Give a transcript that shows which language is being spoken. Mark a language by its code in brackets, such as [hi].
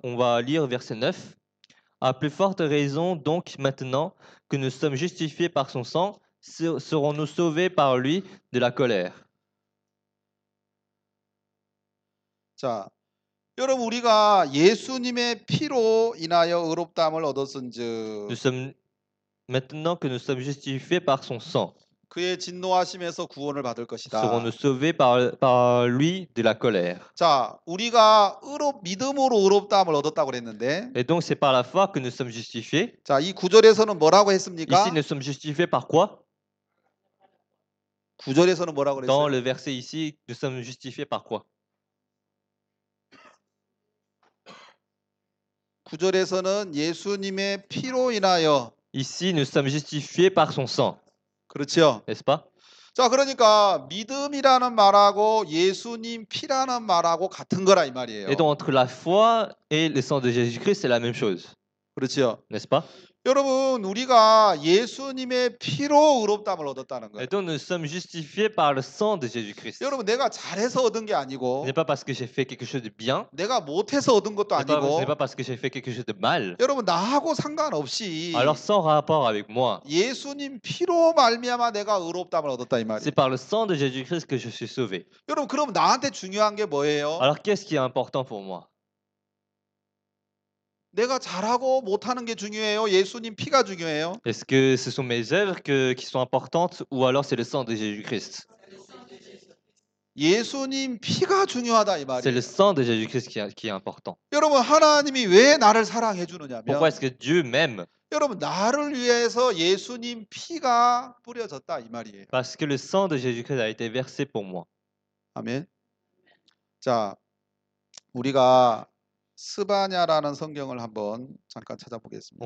[fr] On va lire verset 9. À plus forte raison, donc maintenant que nous sommes justifiés par son sang, serons-nous sauvés par lui de la colère? [ko] 자, 여러분, 우리가 예수님의 피로 인하여 의롭다함을 얻었은즉, [fr] Nous sommes maintenant que nous sommes justifiés par son sang. [ko] 그의 진노하심에서 구원을 받을 [fr] Serons-nous [ko] 것이다. [fr] sauvés par lui de la colère? [ko] 자, 우리가 믿음으로 의롭다함을 얻었다고 그랬는데, [fr] Et donc c'est par la foi que nous sommes justifiés. [ko] 자, 이 구절에서는 뭐라고 했습니까? [fr] Ici, nous sommes justifiés par quoi? [ko] 구절에서는 뭐라고 [fr] Dans [ko] 그랬어요? [fr] le verset ici, nous sommes justifiés par quoi? [ko] 9절에서는 예수님의 피로 인하여. [fr] Ici, nous sommes justifiés par son sang. [ko] 그렇죠? [fr] N'est-ce pas? [ko] 자, 그러니까 믿음이라는 말하고 예수님 피라는 말하고 같은 거라 이 [fr] Et [ko] 말이에요. [fr] donc, entre la foi et le sang de Jésus-Christ, c'est la même chose. [ko] 그렇죠? [fr] N'est-ce pas? [ko] 여러분, 우리가 예수님의 피로 의롭다함을 얻었다는 [fr] Et donc, nous sommes justifiés par le sang de [ko] 거예요. 여러분, 내가 잘해서 얻은 게 [fr] Ce n'est [ko] 아니고, [fr] pas parce que j'ai fait quelque chose de bien. [ko] 내가 못해서 얻은 것도 [fr] Ce n'est [ko] 아니고, [fr] pas parce que j'ai fait quelque chose de mal. [ko] 여러분, 나하고 상관없이 [fr] sans rapport avec moi, [ko] 예수님 피로 말미암아 내가 의롭다함을 얻었다 이 [fr] c'est par le sang de Jésus-Christ que je suis sauvé. [ko] 여러분, 그럼 나한테 중요한 게 뭐예요? [fr] Alors, qu'est-ce qui est important pour moi? [ko] 내가 잘하고 못하는 게 중요해요? 예수님 피가 중요해요? [fr] Est-ce que ce sont mes œuvres qui sont importantes ou alors c'est le sang de Jésus-Christ? [ko] 예수님 피가 중요하다 이 [fr] C'est le sang de Jésus-Christ qui est important. [ko] 여러분, 하나님이 왜 나를 사랑해 주느냐면, [fr] Pourquoi est-ce que Dieu m'aime? [ko] 여러분, 나를 위해서 예수님 피가 뿌려졌다 이 말이에요. [fr] Parce que le sang de Jésus-Christ a été versé pour moi. [ko] 아멘. 자, 우리가 스바냐라는 성경을 한번 잠깐 찾아보겠습니다.